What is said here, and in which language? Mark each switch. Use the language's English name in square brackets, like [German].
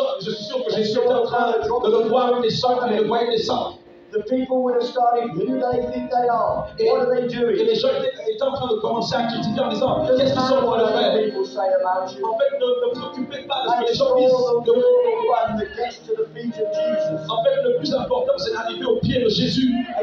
[French] Je suis sûr que Jésus était en train de le voir descendre et le voyait descendre. [English] The people would have started, who do they think they are? What are they doing? [French] Et les gens étaient en train de commencer à critiquer en disant, qu'est-ce qu'ils sont en train de faire? En fait, ne vous occupez pas de ce que les gens disent. En fait, le plus important, c'est d'arriver aux pieds de Jésus.